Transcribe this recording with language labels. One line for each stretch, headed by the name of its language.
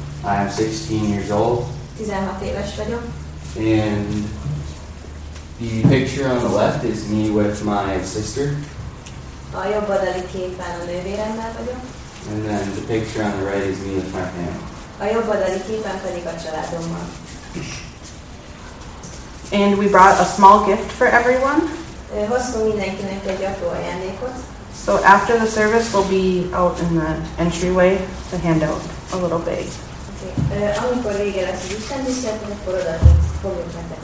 English: I am 16 years old.
Hungarian: 16 éves vagyok.
English: And the picture on the left is me with my sister.
Hungarian: A jobb oldali képen a nővéremmel vagyok.
English: And then the picture on the right is me with my family.
Hungarian: A jobb oldali képen pedig a családommal.
English: And we brought a small gift for everyone.
Hungarian: Hoztunk mindenkinek egy apró ajándékot.
English: So after the service, we'll be out in the entryway to hand out a little bag.
Hungarian: Amikor vége lesz az istenmisé, akkor a forradalmat fogjuk nektek